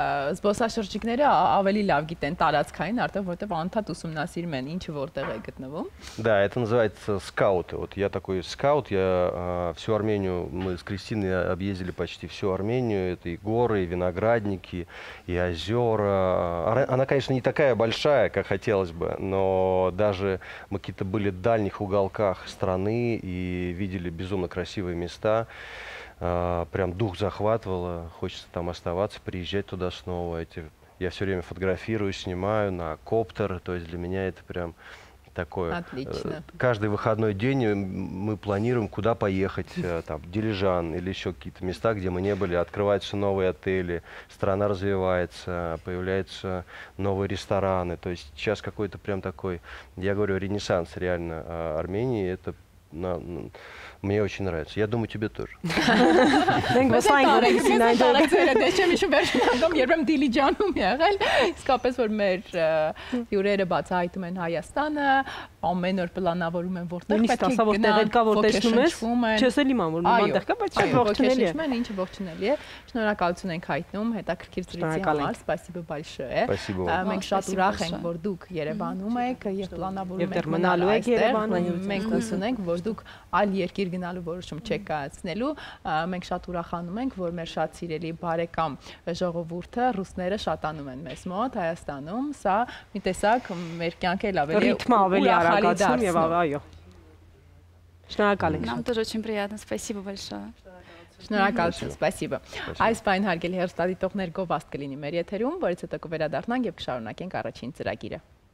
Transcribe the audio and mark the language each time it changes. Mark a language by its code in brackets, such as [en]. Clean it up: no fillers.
[hy] Զբոսաշրջիկները ավելի լավ գիտեն տարածքային, արդեն որտեղ անթատ ուսումնասիրում են, ինչ որտեղ է գտնվում։ [ru] Да, это называется скауты. Вот я такой скаут, я всю Армению, мы с Кристиной объездили почти всю Армению, это и горы, и виноградники, и озера. Она, конечно, не такая большая, как хотелось бы, но даже мы какие-то были в дальних уголках страны и видели безумно красивые места. Прям дух захватывало, хочется там оставаться, приезжать туда снова. я все время фотографирую, снимаю на коптер, то есть для меня это прям такое. Отлично. Каждый выходной день мы планируем, куда поехать, там, Дилижан или еще какие-то места, где мы не были, открываются новые отели, страна развивается, появляются новые рестораны, то есть сейчас какой-то прям такой, я говорю, ренессанс реально Армении, это мне очень нравится. Я думаю, тебе тоже. [hy] Մենք սայն գնալու ենք Դիլիջան, դեժե միշտ վերջնական երբեմն Դիլիջանում եղել, իսկապես որ մեր հյուրերը բացահայտում են Հայաստանը, ամեն օր պլանավորում են որտեղ պետք է գնան, որտեղ եղել կա, որ տեսնում ես, չես էլ իմանում որ նման տեղ կա, բայց ողջունելի է, ինչ ողջունելի է, շնորհակալություն ենք հայտնում հետաքրքիր ծրիցի համար, [ru] спасибо большое. [hy] Մենք շատ ուրախ ենք որ դուք Երևանում եք եւ պլանավորում եք եւ դեռ մնալու եք Երևանում, մենք հուսուն ենք որ դուք այլ երկիր գնալու որոշում չեք կայացնելու, մենք շատ ուրախանում ենք որ մեր շատ սիրելի բարեկամ ժողովուրդը ռուսները շատանում են մեզ մոտ Հայաստանում, սա մի տեսակ մեր կյանքը լավելի ռիթմը ավելի արագացնում եւ այո շնորհակալ ենք [ru] նամ тоже очень приятно спасибо большое [hy] շնորհակալություն спасибо այս բան հարգելի հեռուստադիտողներ գովաստ կլինի մեր եթերում որից հետո կվերադառնանք եւ կշարունակենք առաջին ծրագիրը